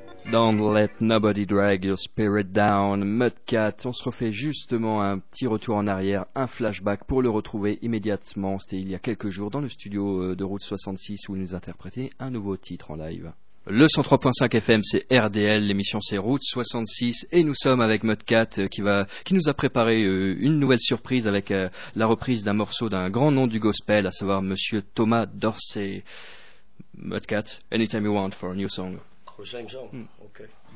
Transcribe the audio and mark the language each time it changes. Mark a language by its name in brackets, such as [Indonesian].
[English] Don't let nobody drag your spirit down, Mudcat. [French] On se refait justement un petit retour en arrière, un flashback pour le retrouver immédiatement. C'était il y a quelques jours dans le studio de Route 66 où il nous interprétait un nouveau titre en live. Le 103.5 FM, c'est RDL, l'émission c'est Route 66 et nous sommes avec Mudcat qui nous a préparé une nouvelle surprise avec la reprise d'un morceau d'un grand nom du gospel, à savoir Monsieur Thomas Dorsey. [English] Mudcat, anytime you want for a new song. The same song. Okay.